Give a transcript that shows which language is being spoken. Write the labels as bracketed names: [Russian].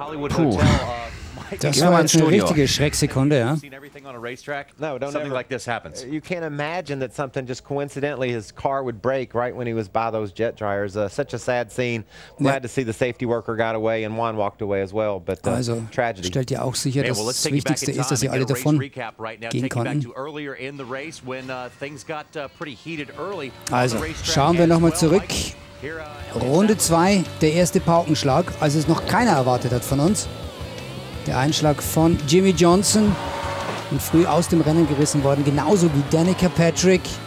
[German] Puh. Das war jetzt eine richtige Schrecksekunde, ja. [English] No, something like this happens. You can't imagine that something just coincidentally his car would break right when he was by those jet dryers. Such a sad scene. Glad to see the safety worker got away and Juan walked away as well, but tragedy. [German] Stellt ihr auch sicher, dass das Wichtigste ist, dass sie alle davon gehen konnten. [English] Earlier in the race when things got pretty heated early. [German] Also, schauen wir nochmal zurück. Runde 2, der erste Paukenschlag, als es noch keiner erwartet hat von uns. Der Einschlag von Jimmy Johnson. Und früh aus dem Rennen gerissen worden, genauso wie Danica Patrick.